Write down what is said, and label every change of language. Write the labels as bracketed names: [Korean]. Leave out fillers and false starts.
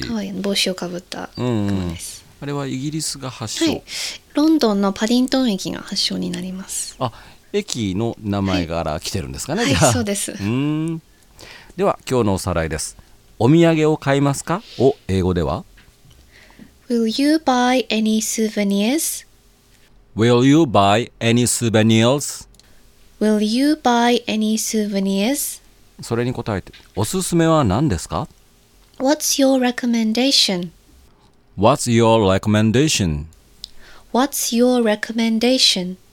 [Japanese] はい、可愛いの帽子をかぶったクマです。あれはイギリスが発祥。はい、ロンドンのパディントン駅が発祥になります。あ、駅の名前から来てるんですかね。はい、はい、そうです。では今日のおさらいです。お土産を買いますかを英語では [English] Will you buy any souvenirs? Will you buy any souvenirs? Will you buy any souvenirs? [Japanese] それに答えておすすめは何ですか。 [English] What's your recommendation? What's your recommendation? What's your recommendation?